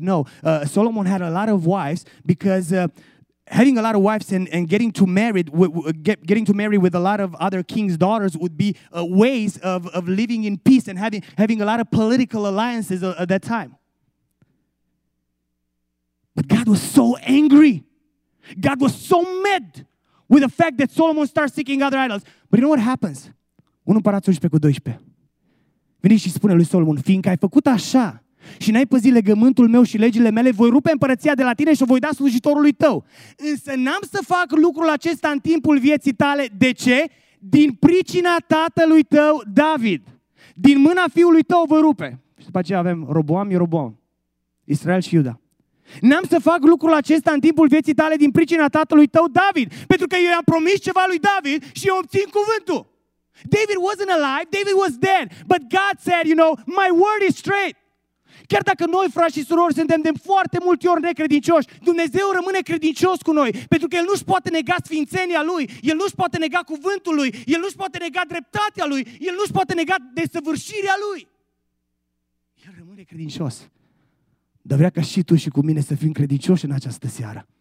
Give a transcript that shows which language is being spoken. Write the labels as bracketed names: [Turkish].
[English] No, Solomon had a lot of wives because having a lot of wives and getting to marry with a lot of other kings' daughters would be ways of living in peace and having a lot of political alliances at that time. But God was so angry. God was so mad with the fact that Solomon starts seeking other idols. But you know what happens? [Romanian] 1 împărați 11 cu 12. Vine și spune lui Solomon, fiindcă ai făcut așa și n-ai păzit legământul meu și legile mele, voi rupe împărăția de la tine și o voi da slujitorului tău. Însă n-am să fac lucrul acesta în timpul vieții tale. De ce? Din pricina tatălui tău, David. Din mâna fiului tău voi rupe. Și după aceea avem Roboam, Ieroboam, Israel și Iuda. N-am să fac lucrul acesta în timpul vieții tale din pricina tatălui tău, David. Pentru că eu i-am promis ceva lui David și eu obțin cuvântul. [English] David wasn't alive, David was dead. But God said, you know, my word is straight. [Romanian] Chiar dacă noi, frați și surori, suntem de foarte multe ori necredincioși, Dumnezeu rămâne credincios cu noi, pentru că El nu-și poate nega sfințenia Lui, El nu-și poate nega cuvântul Lui, El nu-și poate nega dreptatea Lui, El nu-și poate nega desăvârșirea Lui. El rămâne credincios. Dar vrea ca și tu și cu mine să fim credincioși în această seară.